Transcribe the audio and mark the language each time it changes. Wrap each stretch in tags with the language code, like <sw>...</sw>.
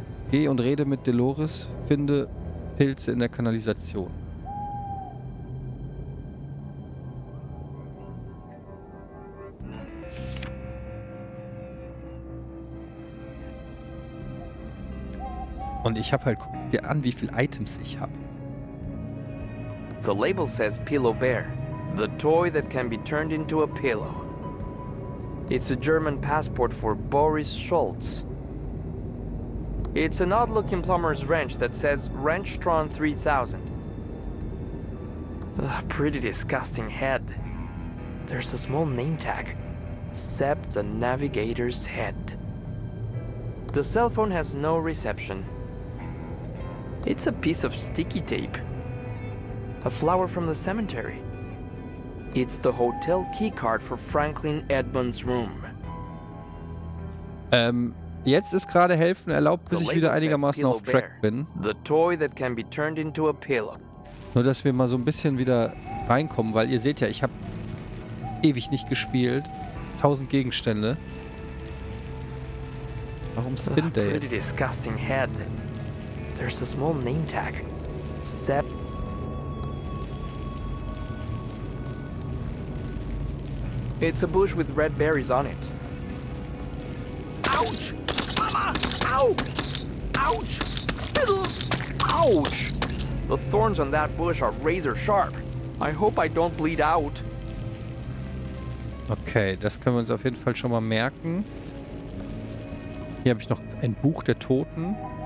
<de>Geh und rede mit Dolores. Finde Pilze in der Kanalisation. Und ich hab halt, guck dir an, wie viele Items ich hab.</de> <en>The label says Pillow Bear, the toy that can be turned into a pillow. It's a German passport for Boris Schultz. It's an odd-looking plumber's wrench that says Wrenchtron 3000. A pretty disgusting head. There's a small name tag. Seb the Navigator's head. The cell phone has no reception. It's a piece of sticky tape. A flower from the cemetery. It's the hotel key card for Franklin Edmunds' room.</en> <de>Jetzt ist gerade helfen erlaubt, bis ich wieder einigermaßen auf Track bin.</de> <en>The toy that can be turned into a pillow.</en> <de>Nur, dass wir mal so ein bisschen wieder reinkommen, weil ihr seht ja, ich habe ewig nicht gespielt. 1000 Gegenstände. Warum Spin Day?</de> <en>Pretty disgusting head. There's a small name tag. Sepp. It's a bush with red berries on it. Ouch! Mama! Ow! Ouch! Little! Ouch! The thorns on that bush are razor sharp. I hope I don't bleed out.</en> <de>Okay, das können wir uns auf jeden Fall schon mal merken. Hier habe ich noch ein Buch der Toten.</de>